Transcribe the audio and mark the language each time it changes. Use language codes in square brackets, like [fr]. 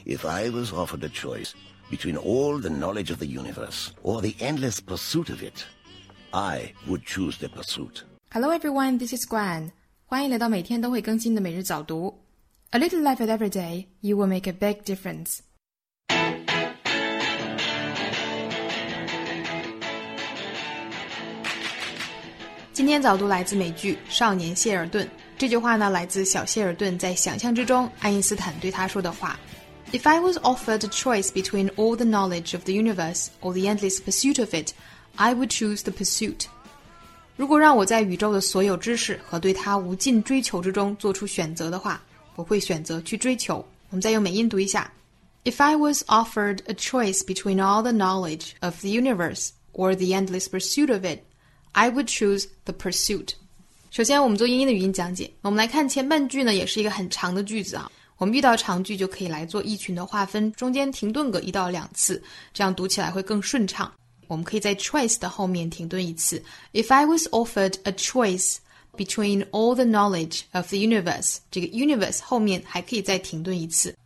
[en] If I was offered a choice between all the knowledge of the universe or the endless pursuit of it, I would choose the pursuit. Hello everyone, this is Gwen. [zh] 欢迎来到每天都会更新的每日早读。 [en] A little life every day, you will make a big difference. [zh] 今天早读来自美剧《少年谢尔顿》，这句话呢来自小谢尔顿在想象之中爱因斯坦对他说的话。 [en] If I was offered a choice between all the knowledge of the universe or the endless pursuit of it, I would choose the pursuit. [zh] 如果让我在宇宙的所有知识和对它无尽追求之中做出选择的话，我会选择去追求。我们再用美音读一下。 [en] If I was offered a choice between all the knowledge of the universe or the endless pursuit of it,I would choose the pursuit. [zh] 首先我们做英英的语音讲解。我们来看前半句呢也是一个很长的句子啊。我们遇到长句就可以来做意群的划分，中间停顿个一到两次，这样读起来会更顺畅。我们可以在 choice 的后面停顿一次。 [en] If I was offered a choice between all the knowledge of the universe, [zh] 这个 universe 后面还可以再停顿一次。